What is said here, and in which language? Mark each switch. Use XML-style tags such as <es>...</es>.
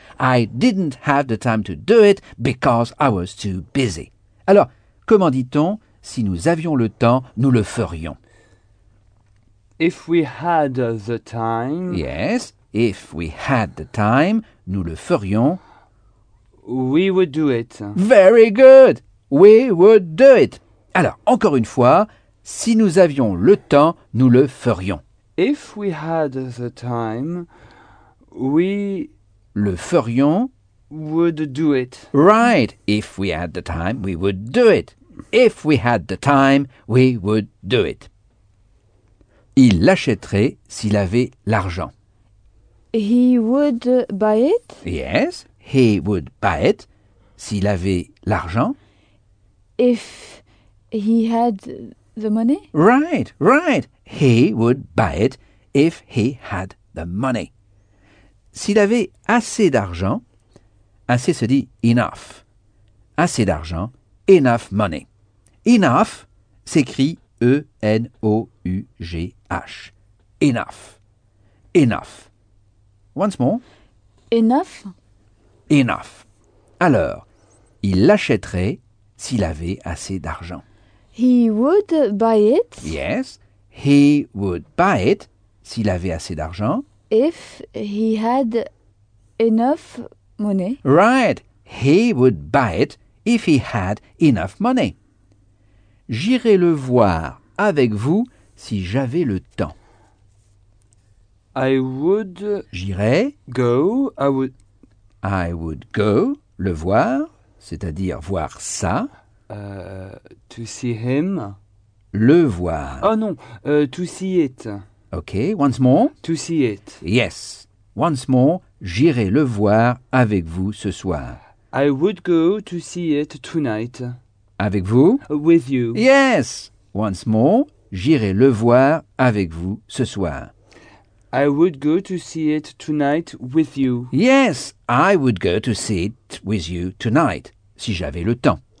<en>I didn't have the time to do it because I was too busy.</en> <fr>Alors, comment dit-on, si nous avions le temps, nous le ferions?</fr> <en>If we had the time... Yes, if we had the time,</en> <fr>nous le ferions...</fr> <en>We would do it. Very good! We would do it!</en> <fr>Alors, encore une fois, si nous avions le temps, nous le ferions.</fr> <en>If we had the time... Oui.</en> <fr>Le ferions.</fr> <en>Would do it. Right. If we had the time, we would do it. If we had the time, we would do it.</en> <fr>Il l'achèterait s'il avait l'argent.</fr> <en>He would buy it. Yes. He would buy it.</en> <fr>S'il avait l'argent.</fr> <en>If he had the money. Right. Right. He would buy it if he had the money.</en> <fr>S'il avait assez d'argent, assez se dit enough. Assez d'argent,</fr> <en>enough money. Enough s'écrit E-N-O-U-G-H. Enough. Enough. Once more. Enough.</en> <fr>Enough. Alors, il l'achèterait s'il avait assez d'argent.</fr> <en>He would buy it. Yes. He would buy it</en> <fr>s'il avait assez d'argent.</fr> <en>If he had enough money. Right. He would buy it if he had enough money.</en> <fr>J'irai le voir avec vous si j'avais le temps.</fr> <en>I would...</en> <fr>J'irai...</fr> <en>Go. I would... I would go</en> <fr>le voir, c'est-à-dire voir ça.</fr> <en>To see him.</en> <fr>Le voir.</fr> <en>Oh non, to see it. Okay, once more. To see it. Yes. Once more,</en> <fr>j'irai le voir avec vous ce soir.</fr> <en>I would go to see it tonight.</en> <fr>Avec vous?</fr> <en>With you. Yes. Once more,</en> <fr>j'irai le voir avec vous ce soir.</fr> <en>I would go to see it tonight with you. Yes, I would go to see it with you tonight,</en> <fr>si j'avais le temps.</fr>